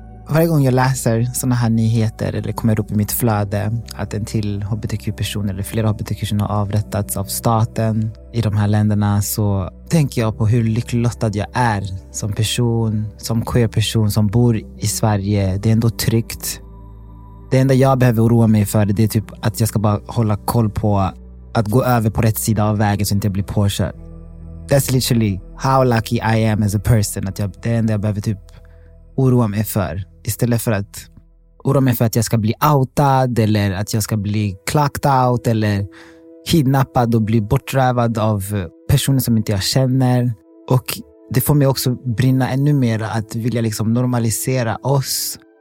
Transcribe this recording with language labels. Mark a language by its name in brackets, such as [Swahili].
[Swedish] Varje gång jag läser såna här nyheter eller kommer upp i mitt flöde att en till hbtq-person eller flera hbtq-personer har avrättats av staten i de här länderna, så tänker jag på hur lycklig lottad jag är som person, som queer-person som bor i Sverige. Det är ändå tryggt. Det enda jag behöver oroa mig för, det är typ att jag ska bara hålla koll på att gå över på rätt sida av vägen så inte jag blir påkörd. [English] That's literally how lucky I am as a person. [Swedish] Att jag, det enda jag behöver typ oroa mig för, istället för att oroa mig för att jag ska bli outad eller att jag ska bli [English] clocked out [Swedish] eller kidnappad och bli bortrövad av personer som inte jag känner. Och det får mig också brinna ännu mer att vilja liksom normalisera oss.